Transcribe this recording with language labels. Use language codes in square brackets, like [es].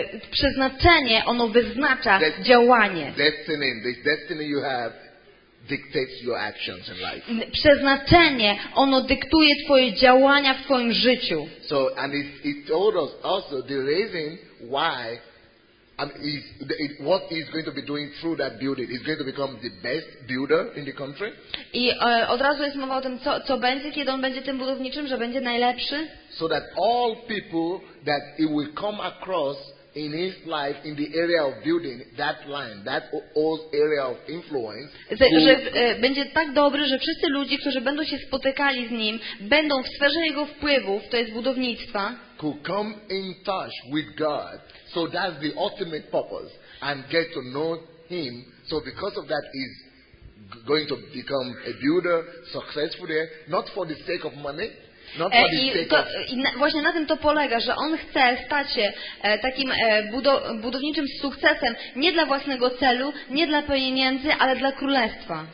[pl] Przeznaczenie, ono wyznacza działanie. [en] Destiny, the destiny you have dictates your actions in life. [pl] Przeznaczenie, ono dyktuje twoje działania w twoim życiu. [en] So, and it told us also the reason why and what he's going to be doing through that building. He's going to become the best builder in the country. [pl] I od razu jest mowa o tym, co będzie, kiedy on będzie tym budowniczym, że będzie najlepszy. [en] So that all people that he will come across in his life in the area of building that line, that old area of influence. [pl] Będzie tak dobry, że wszyscy ludzie, którzy będą się spotykali z nim, będą w sferze jego wpływów, to jest budownictwa. [en] Could come in touch with God. So that's the ultimate purpose, and get to know him. So because of that, he's going to become a builder, successful there, not for the sake of money, not for the sake of. [pl] I właśnie na tym to polega, że on chce stać się takim budowniczym sukcesem, nie dla własnego celu, nie dla pieniędzy, ale dla królestwa.